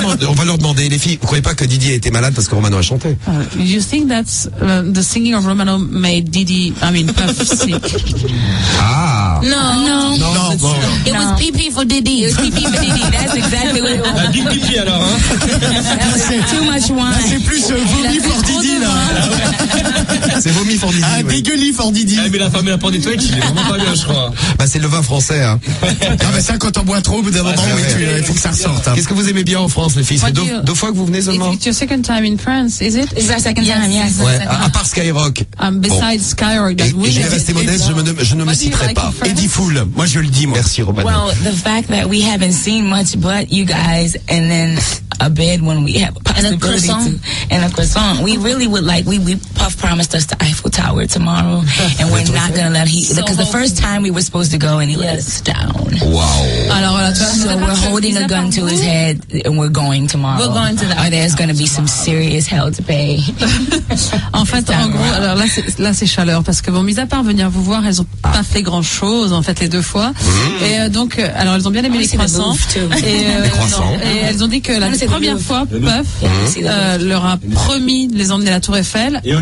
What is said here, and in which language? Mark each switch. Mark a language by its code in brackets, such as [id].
[fr] On va leur demander, les filles, vous croyez pas que Diddy a été malade parce que Romano a chanté? [en] You think that the singing of Romano made Diddy, I mean, Puff sick? Ah. No. [fr] Bon. [en] It was pee-pee for Diddy. It was pee-pee for Diddy. That's exactly what it was. [fr] La big pee-pee alors, hein. [en] Too much wine. [fr] Là, c'est plus vomi for Diddy, là. C'est vomi for Diddy. Ah, ouais. [en] Bigly for Diddy. [fr] Ah, mais la femme est la porte des toilettes, il est vraiment pas bien, je crois. Bah, c'est le vin français, hein. Non, mais ça, quand on boit trop, au bout d'un moment, il faut que ça ressorte. Qu'est-ce que vous aimez bien en France, les filles? C'est deux fois que vous venez seulement. [en] It's your second time in France, is it? It's my second time, yes. [fr] Ouais, à part Skyrock. [en] Besides Skyrock, that we have. [fr] Je vais rester modeste, je ne me citerai pas. Eddie Fool, moi je le dis, moi. Merci Romano. [en] Well, the fact that we haven't seen much but you guys and then a bed when we have a possibility and a croissant. We really would like, we Puff promised us the Eiffel Tower tomorrow and we're not going to let he, because so the first time we were supposed to go and he let us down. Wow. [fr] Alors, voilà, toi, [en] so we're holding a gun to his head and we're going tomorrow. We're going to the Eiffel Tower. There's going to be some serious hell to pay. [fr] En fait, en gros, alors là c'est chaleur parce que bon, mis à part venir vous voir, elles ont pas fait grand chose. En fait, les deux fois. Mmh. Et donc, alors, elles ont bien aimé les croissants. Et elles ont dit que la première fois, Puff leur a promis de les emmener à la Tour Eiffel.